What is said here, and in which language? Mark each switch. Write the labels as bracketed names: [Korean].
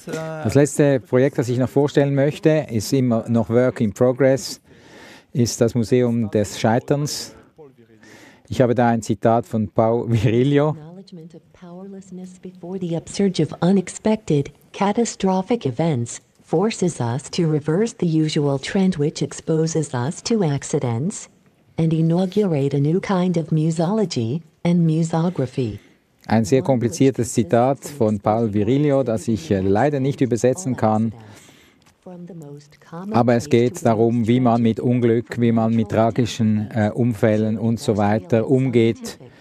[German] Das letzte Projekt, das ich noch vorstellen möchte, ist immer noch Work in Progress, ist das Museum des Scheiterns. Ich habe da ein Zitat von Paul Virilio. [English] Powerlessness before the upsurge of unexpected, catastrophic events forces us to reverse the usual trend which exposes us to accidents and inaugurate a new kind of museology and museography. [German] Ein sehr kompliziertes Zitat von Paul Virilio, das ich leider nicht übersetzen kann. Aber es geht darum, wie man mit Unglück, wie man mit tragischen Unfällen und so weiter umgeht.